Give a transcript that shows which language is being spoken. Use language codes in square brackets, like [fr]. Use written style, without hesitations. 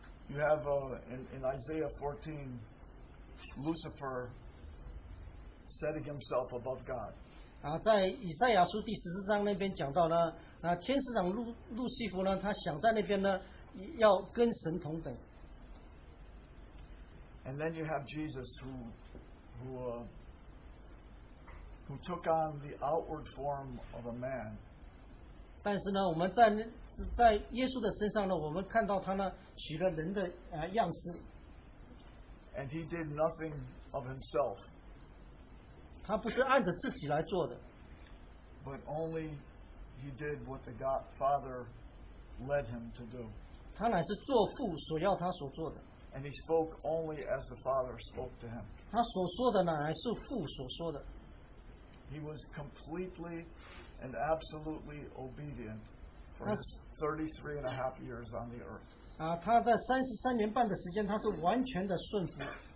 [en] You have in Isaiah 14, Lucifer setting himself above God. [zh] 在以赛亚书第十四章那边讲到呢，天使长路西弗呢，他想在那边呢，要跟神同等。 [en] And then you have Jesus who took on the outward form of a man. [zh] 但是呢，我们在耶稣的身上呢，我们看到他呢，取了人的样式。 [en] And he did nothing of himself. [zh] 他不是按着自己来做的, [en] but only he did what the God Father led him to do. [zh] 他乃是做父所要他所做的, [en] and he spoke only as the Father spoke to him. [zh] 他所说的乃是父所说的, [en] he was completely and absolutely obedient for his 33 and a half years on the earth. [zh] 他在33年半的时间他是完全的顺服。